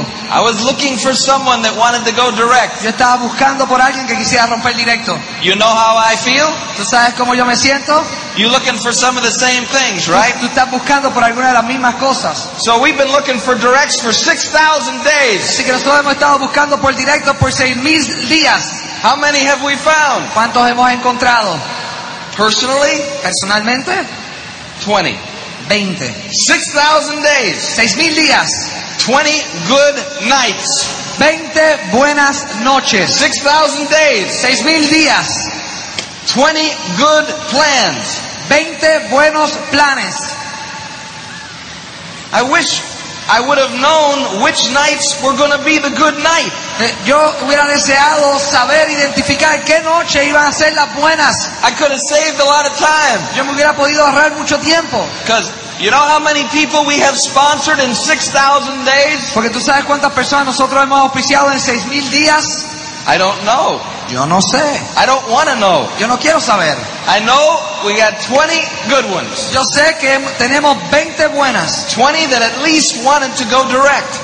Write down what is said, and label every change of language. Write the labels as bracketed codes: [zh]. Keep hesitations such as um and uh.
[en] I was looking for someone that wanted to go direct. [es] Yo estaba buscando por alguien que quisiera romper directo. [en] You know how I feel? [es] ¿Tú sabes cómo yo me siento? [en] You looking for some of the same things, right? [es] Tú, tú estás buscando por alguna de las mismas cosas. [en] So we've been looking for directs for 6000 days. [es] Así que nosotros hemos estado buscando por directo por 6000 días. [en] How many have we found? [es] ¿Cuántos hemos encontrado? [en] Personally? [es] Personalmente? [en] 20. 20. 6000 days. [es] 6000 días. [en] 20 good nights. [es] 20 buenas noches. [en] 6000 days. [es] 6000 días. [en] 20 good plans. [es] 20 buenos planes. [en] I wish I would have known which nights were going to be the good night. [es] Yo hubiera deseado saber identificar qué noche iban a ser las buenas. [en] I could have saved a lot of time. [es] Yo hubiera podido ahorrar mucho tiempo. [en] Because you know how many people we have sponsored in 6,000 days? [es] Porque tú sabes cuántas personas nosotros hemos auspiciado en 6,000 días? [en] I don't know. [es] Yo no sé. [en] I don't want to know. [es] Yo no quiero saber. [en] I know we got 20 good ones. [es] Yo sé que tenemos 20 buenas. [en] 20 that at least wanted to go direct.